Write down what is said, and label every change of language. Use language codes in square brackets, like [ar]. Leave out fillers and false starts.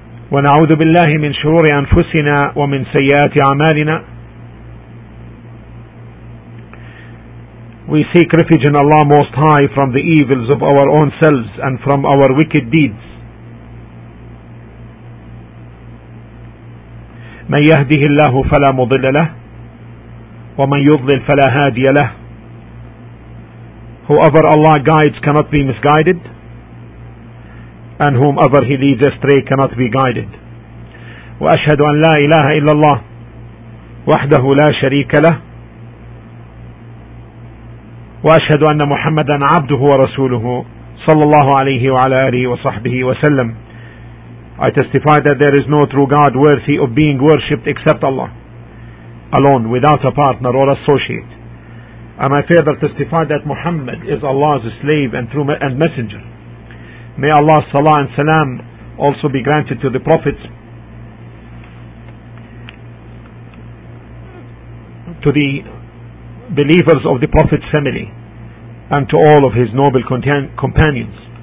[ar] ونعوذ بالله من شرور أنفسنا ومن سيئات أعمالنا. [en] We seek refuge in Allah Most High from the evils of our own selves and from our wicked deeds. [ar] من يهده الله فلا مضل له ومن يضلل فلا هادي له. [en] Whoever Allah guides cannot be misguided, and whomever He leads astray cannot be guided. [ar] وأشهد أن لا إله إلا الله وحده لا شريك له وأشهد أن محمدا عبده ورسوله صلى الله عليه وعلى آله وصحبه وسلم. [en] I testify that there is no true God worthy of being worshipped except Allah alone, without a partner or associate. And I further testify that Muhammad is Allah's slave and messenger. May Allah's salah and salam also be granted to the prophets, to the believers of the prophet's family, and to all of his noble companions.